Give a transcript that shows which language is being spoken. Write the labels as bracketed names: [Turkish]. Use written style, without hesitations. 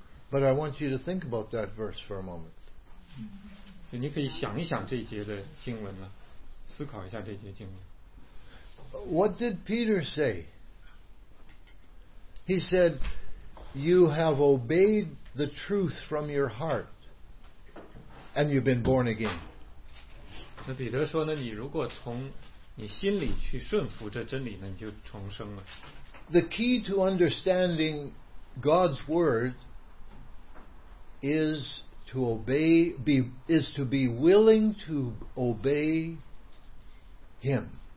[English] But I want you to think about that verse for a moment. [Chinese] 就你可以想一想这节的经文了，思考一下这节经文。 [English] What did Peter say? He said, "You have obeyed the truth from your heart, and you've been born again." [Chinese] 那彼得说呢，你如果从你心里去顺服这真理呢，你就重生了。 [English] The key to understanding God's word is to obey, is to be willing to obey Him.